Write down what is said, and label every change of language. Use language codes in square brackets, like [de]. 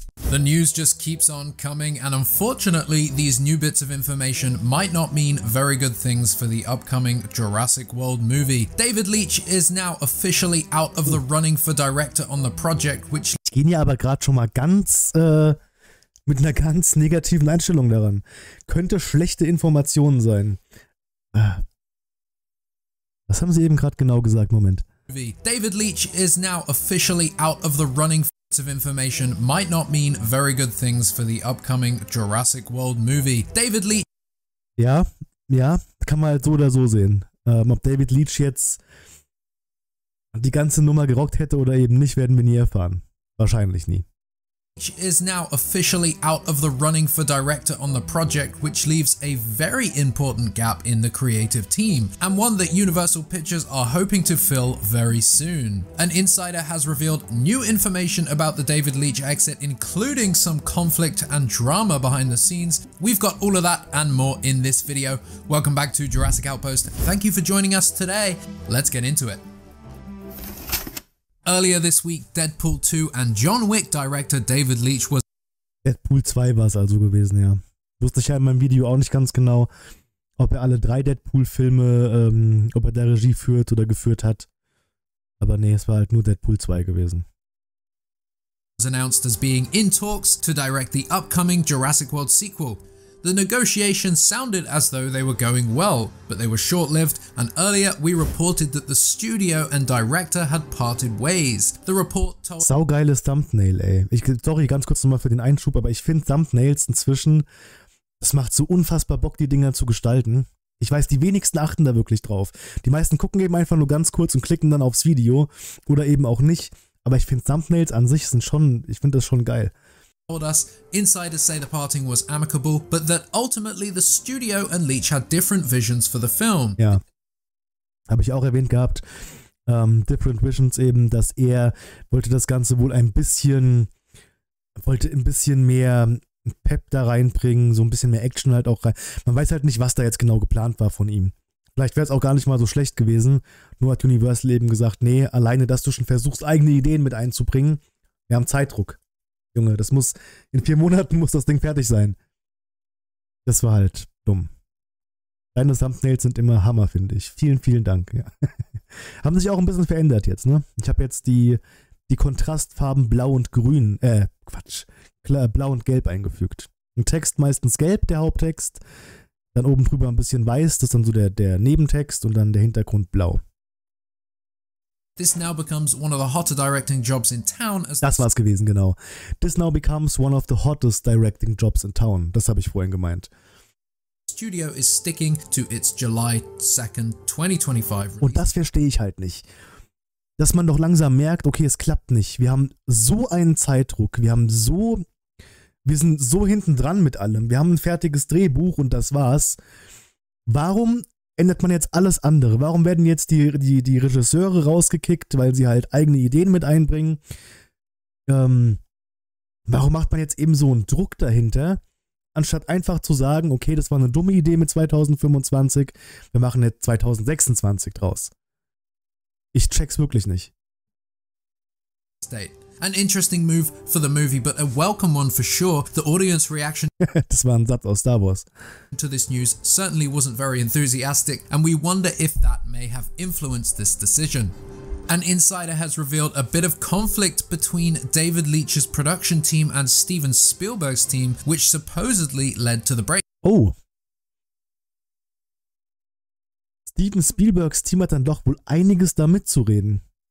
[en] The news just keeps on coming, and unfortunately, these new bits of information might not mean very good things for the upcoming Jurassic World movie. David Leitch is now officially out of the running for director on the project, which... [de] Ich gehe ja aber gerade schon mal ganz, mit einer ganz negativen Einstellung daran. Könnte schlechte Informationen sein. Was haben Sie eben gerade genau gesagt? Moment. [en] David Leitch is now officially out of the running... of information might not mean very good things for the upcoming Jurassic World movie. David Leitch. [de] Ja, ja, kann man halt so oder so sehen. Ob David Leitch jetzt die ganze Nummer gerockt hätte oder eben nicht, werden wir nie erfahren. Wahrscheinlich nie. [en] Is now officially out of the running for director on the project, which leaves a very important gap in the creative team, and one that Universal Pictures are hoping to fill very soon. An insider has revealed new information about the David Leitch exit, including some conflict and drama behind the scenes. We've got all of that and more in this video. Welcome back to Jurassic Outpost. Thank you for joining us today. Let's get into it. Earlier this week, Deadpool 2 and John Wick director David Leitch was... [de] Deadpool 2 war es also gewesen, ja. Wusste ich ja in meinem Video auch nicht ganz genau, ob er alle drei Deadpool-Filme, ob er da Regie führt oder geführt hat. Aber nee, es war halt nur Deadpool 2 gewesen. [en] ...was announced as being in talks to direct the upcoming Jurassic World sequel. The negotiations sounded as though they were going well, but they were short-lived, and earlier we reported that the studio and director had parted ways. The report told... [de] Saugeiles Thumbnail, ey. Sorry, ganz kurz nochmal für den Einschub, aber ich finde Thumbnails inzwischen, es macht so unfassbar Bock, die Dinger zu gestalten. Ich weiß, die wenigsten achten da wirklich drauf. Die meisten gucken eben einfach nur ganz kurz und klicken dann aufs Video, oder eben auch nicht. Aber ich finde Thumbnails an sich sind schon, ich finde das schon geil. [en] Told us, insiders say the parting was amicable, but that ultimately the studio and Leitch had different visions for the film. [de] Ja, habe ich auch erwähnt gehabt, [en] different visions [de] eben, dass er wollte das Ganze wohl ein bisschen mehr Pep da reinbringen, so ein bisschen mehr Action halt auch rein. Man weiß halt nicht, was da jetzt genau geplant war von ihm. Vielleicht wäre es auch gar nicht mal so schlecht gewesen, nur hat Universal eben gesagt, nee, alleine, dass du schon versuchst, eigene Ideen mit einzubringen, wir haben Zeitdruck. Junge, das muss, in 4 Monaten muss das Ding fertig sein. Das war halt dumm. Deine Thumbnails sind immer Hammer, finde ich. Vielen, vielen Dank. Ja. Haben sich auch ein bisschen verändert jetzt, ne? Ich habe jetzt die Kontrastfarben Blau und Grün, Blau und Gelb eingefügt. Ein Text meistens gelb, der Haupttext. Dann oben drüber ein bisschen weiß, das ist dann so der Nebentext und dann der Hintergrund blau. [en] This now becomes one of the hotter directing jobs in town. [de] Das war's gewesen, genau. [en] This now becomes one of the hottest directing jobs in town. [de] Das habe ich vorhin gemeint. [en] Studio is sticking to its July 2nd, 2025. [de] Und das verstehe ich halt nicht. Dass man doch langsam merkt, okay, es klappt nicht. Wir haben so einen Zeitdruck. Wir sind so hinten dran mit allem. Wir haben ein fertiges Drehbuch und das war's. Warum ändert man jetzt alles andere? Warum werden jetzt die Regisseure rausgekickt, weil sie halt eigene Ideen mit einbringen? Warum macht man jetzt eben so einen Druck dahinter, anstatt einfach zu sagen, okay, das war eine dumme Idee mit 2025, wir machen jetzt 2026 draus? Ich check's wirklich nicht. [en] State. An interesting move for the movie, but a welcome one for sure. The audience reaction [de] das war ein Satz aus Star Wars. [en] To this news certainly wasn't very enthusiastic, and we wonder if that may have influenced this decision. An insider has revealed a bit of conflict between David Leitch's production team and Steven Spielberg's team, which supposedly led to the break. Oh. [de] Steven Spielbergs Team hat dann doch wohl einiges damit zu reden.